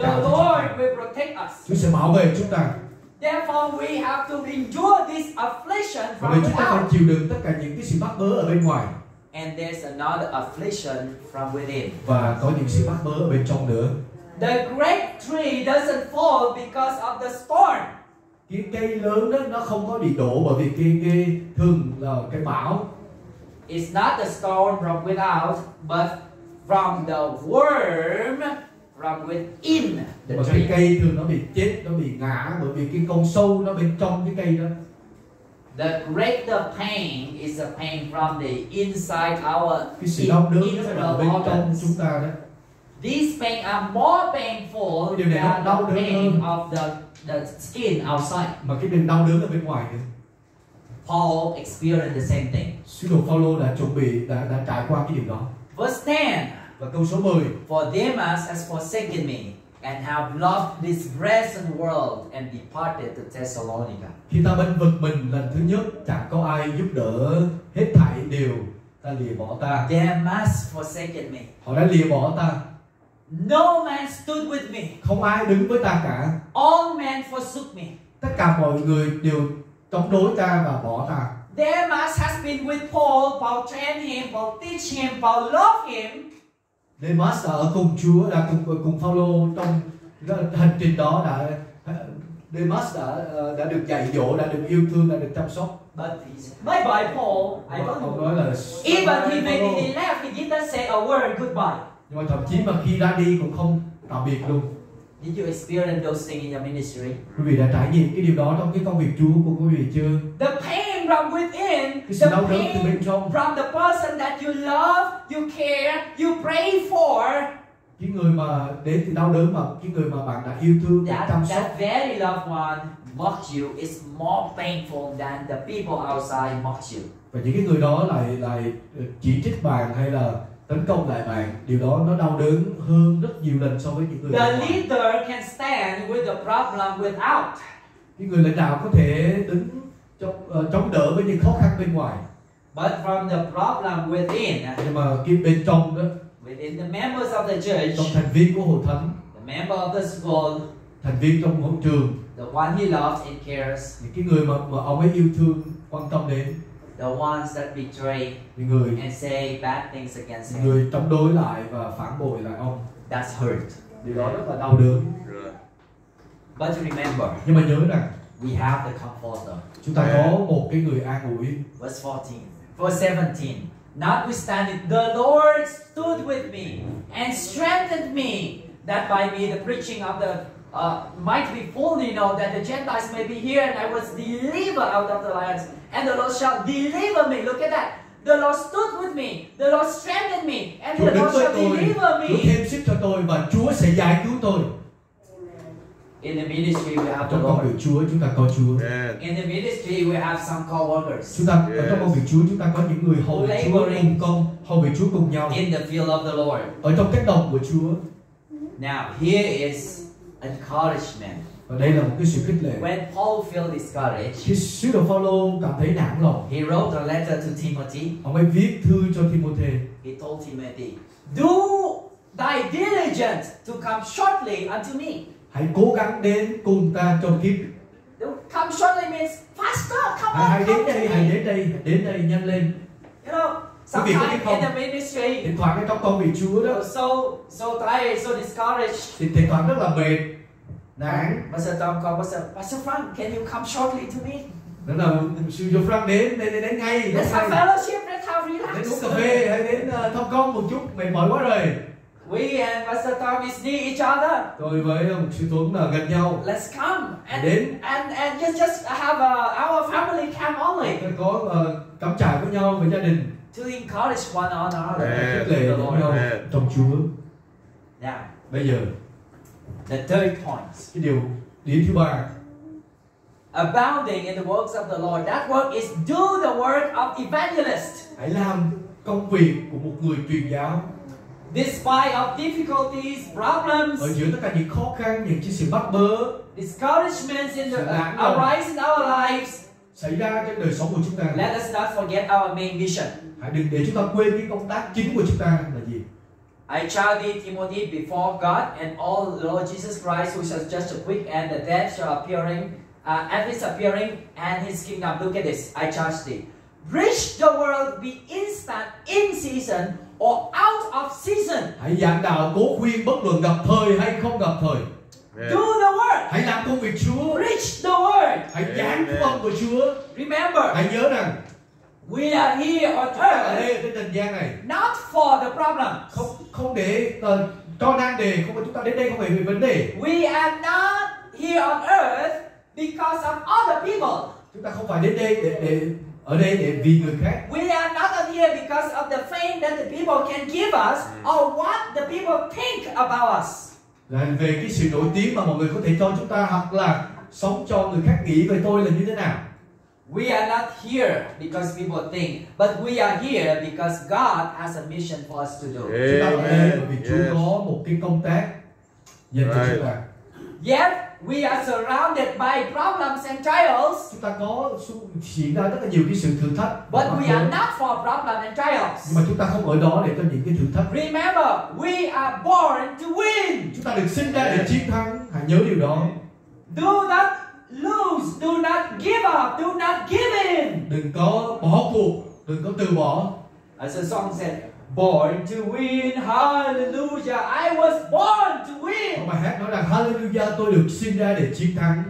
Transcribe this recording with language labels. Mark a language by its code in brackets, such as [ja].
[vi] trả. [en] The Lord will protect us. [vi] Chúa sẽ bảo vệ chúng ta. [en] Therefore, we have to endure this affliction from without. [vi] Vì chúng ta phải chịu đựng tất cả những cái sự bắt bớ ở bên ngoài. [en] And there's another affliction from within. [vi] Và có những sự bắt bớ ở bên trong nữa. [en] The great tree doesn't fall because of the storm. [vi] Cái cây lớn đó nó không có bị đổ bởi vì cái thường là cái bão. [en] It's not the storm from without, but from the worm from within the tree. [vi] Cái cây thường nó bị chết, nó bị ngã bởi vì cái con sâu nó bên trong cái cây đó. [en] The greater pain is the pain from the inside our [vi] cái sự đau đớn nó là bên organs. Trong chúng ta đó. [en] These pain are more painful than the pain of the skin outside. [vi] Mà cái điều đau đớn ở bên ngoài nữa. [en] Paul experienced the same thing. [vi] Sứ đồ Phaolô đã chuẩn bị đã trải qua cái điều đó. [en] Verse 10. [vi] Và câu số 10. [en] For Demas has forsaken me and have left this present world and departed to Thessalonica. [vi] Khi ta bên vực mình lần thứ nhất, chẳng có ai giúp đỡ hết thảy điều ta lìa bỏ ta. [en] Demas forsaken me. [vi] Họ đã lìa bỏ ta. [en] No man stood with me. [vi] Không ai đứng với ta cả. [en] All men forsook me. [vi] Tất cả mọi người đều chống đối ta và bỏ ta. [en] Demas has been with Paul, Paul trained him, Paul teach him, Paul love him. [vi] Demas đã ở cùng Chúa, đã cùng Phaolô trong hành trình đó đã. Demas đã được dạy dỗ, đã được yêu thương, đã được chăm sóc. [en] But my boy Paul, I don't know. [vi] Nói là [en] even he made it, he left, he didn't say a word goodbye. [vi] Nhưng mà thậm chí mà khi ra đi cũng không tạm biệt luôn. [en] Did you experience those things in your ministry? [vi] Quý vị đã trải nghiệm cái điều đó trong cái công việc Chúa của quý vị chưa? [en] The pain from within, [vi] cái đau đớn từ bên trong, [en] from the person that you love, you care, you pray for. [vi] Cái người mà đến từ đau đớn mà cái người mà bạn đã yêu thương, [en] that, [vi] chăm sóc. [en] That very loved one mocked you is more painful than the people outside mocked you. [vi] Và những cái người đó lại chỉ trích bạn hay là tấn công lại bạn, điều đó nó đau đớn hơn rất nhiều lần so với những người [en] The leader can stand with the problem without. [vi] Những người lãnh đạo có thể đứng chống đỡ với những khó khăn bên ngoài. [en] But from the problem within. [vi] Nhưng mà khi bên trong đó. [en] Within the members of the church. [vi] Trong thành viên của hội thánh. [en] The member of the school. [vi] Thành viên trong hội trường. [en] The one he loves and cares. [vi] Những cái người mà ông ấy yêu thương, quan tâm đến. [en] The ones that betray. [vi] Những người. [en] And say bad things against him. [vi] Người chống đối lại và phản bội lại ông. [en] That's hurt. [vi] Điều đó rất là đau đớn. [en] But remember. [vi] Nhưng mà nhớ rằng. [en] We have the comforter. [vi] Chúng ta có một cái người an ủi. [en] Verse 14. Verse 17. Notwithstanding, the Lord stood with me and strengthened me, that by me the preaching of the might be fully known, that the Gentiles may be here, and I was delivered out of the lions, and the Lord shall deliver me. Look at that. The Lord stood with me, the Lord strengthened me, and [vi] Chúa [en] the Lord shall [vi] tôi, [en] deliver me. [vi] Chúa thêm sức cho tôi và Chúa sẽ giải cứu tôi. [en] In the ministry we have [vi] trong công việc Chúa chúng ta có Chúa. [en] Yeah. In the ministry we have some co-workers. [vi] Chúng ta yes. Trong công việc Chúa chúng ta có những người hầu việc Chúa cùng công, hầu việc Chúa cùng nhau. [en] In the field of the Lord. [vi] Ở trong cánh đồng của Chúa. [en] Now here is encouragement. [vi] Và đây là một cái sự khích lệ. [en] When Paul feels discouraged, [vi] khi sứ đồ Phaolô cảm thấy nản lòng, [en] he wrote a letter to Timothy. [vi] Ông ấy viết thư cho Timothy. [en] He told Timothy, do thy diligence to come shortly unto me. [vi] Hãy cố gắng đến cùng ta trong kiếp. [en] Come shortly means faster. Come on, [vi] hãy đến đây, hãy đến đây nhanh lên. [en] You know, sometimes in the ministry, [vi] thỉnh thoảng trong công việc Chúa đó, [en] so tired, so discouraged. [vi] Thỉnh thoảng rất là mệt, nản. [en] Pastor Tom called, Pastor Frank, can you come shortly to me? [vi] Đó là sư Joe Frank đến ngay. [en] Let's have fellowship, let's have relax. [vi] Đến uống cà phê, hãy đến thăm con một chút, mệt mỏi quá rồi. [en] We and Pastor Tom is near each other. [vi] Tôi với ông sư Tuấn là gần nhau. [en] Let's come and [vi] đến. [en] And just have our family camp only. [vi] Chúng ta có cắm trại với nhau với gia đình. [en] To encourage one another. [vi] Khích lệ lẫn nhau trong Chúa. [en] Now. [vi] Bây giờ. [en] The third point. [vi] Cái điểm thứ ba. [en] Abounding in the works of the Lord. That work is do the work of evangelist. [vi] Hãy làm công việc của một người truyền giáo. [en] Despite of difficulties, problems, [vi] ở giữa tất cả những khó khăn, những chuyện sự bắt bớ, [en] discouragements in the arise in our lives, [vi] xảy ra trên đời sống của chúng ta. [en] Let us not forget our main mission. [vi] Hãy đừng để chúng ta quên cái công tác chính của chúng ta là gì. [en] I charge Timothy before God and all the Lord Jesus Christ, who shall just quick and the dead shall appearing, at his appearing and his kingdom. Look at this. I charge thee, reach the world, be instant in season. Or out of season. [vi] Hãy giảng đạo, cố khuyên, bất luận gặp thời hay không gặp thời. [en] Yeah. Do the work. [vi] Hãy làm công việc Chúa. [en] Preach the word. [vi] Hãy giảng phúc âm của Chúa. [en] Remember. [vi] Hãy nhớ rằng, [en] we are here on earth. [vi] Ở đây trên trần gian này. [en] Not for the problem. [vi] Không để cho nan đề. Không phải chúng ta đến đây không phải vì vấn đề. [en] We are not here on earth because of other people. [vi] Chúng ta không phải đến đây để ở đây để vì người khác. [en] We are not here because of the fame that the people can give us or what the people think about us. [vi] Là về cái sự nổi tiếng mà mọi người có thể cho chúng ta hoặc là sống cho người khác nghĩ về tôi là như thế nào. [en] We are not here because people think, but we are here because God has a mission for us to do. Amen. [vi] Vì Chúa có một cái công tác dành cho chúng ta. [en] Yep. We are surrounded by problems and trials. [vi] Chúng ta có diễn ra rất là nhiều cái sự thử thách. [en] But we are not for problems and trials. [vi] Nhưng mà chúng ta không ở đó để cho những cái thử thách. [en] Remember, we are born to win. [vi] Chúng ta được sinh ra để chiến thắng. Hãy nhớ điều đó. [en] Do not lose. Do not give up. Do not give in. [vi] Đừng có bỏ cuộc. Đừng có từ bỏ. [en] As the song said, born to win, hallelujah, I was born to win. [vi] Mà hát nói rằng hallelujah, tôi được sinh ra để chiến thắng.